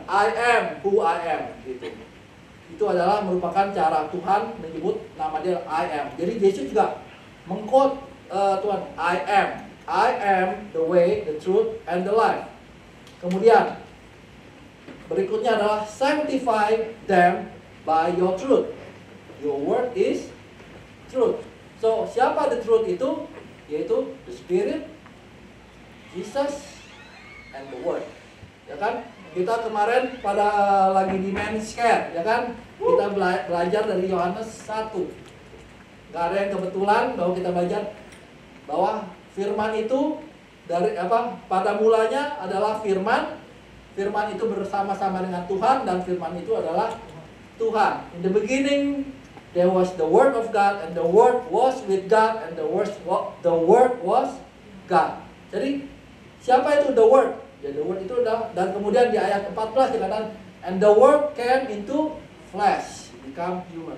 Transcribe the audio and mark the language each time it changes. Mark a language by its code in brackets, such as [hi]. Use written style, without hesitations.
[en] I am who I am. [id] Gitu. Itu adalah merupakan cara Tuhan menyebut nama dia, [en] I am. [id] Jadi Yesus juga mengquote Tuhan, [en] I am. I am the way, the truth, and the life. [id] Kemudian, Berikutnya adalah [en] sanctify them by your truth. Your word is truth. So, [id] siapa [en] the truth itu? [id] Yaitu [en] the Spirit, Jesus, and the Word. [id] Ya kan? Kita kemarin pada lagi di Men's Care, ya kan? Kita belajar dari Yohanes 1. Gak ada yang kebetulan bahwa kita belajar bahwa firman itu dari apa? Pada mulanya adalah firman. Firman itu bersama-sama dengan Tuhan dan firman itu adalah Tuhan. [en] In the beginning there was the word of God and the word was with God and the word was God. [id] Jadi siapa itu the word? Ya the word itu adalah, dan kemudian di ayat 14 dikatakan [en] and the word came into flesh, become human.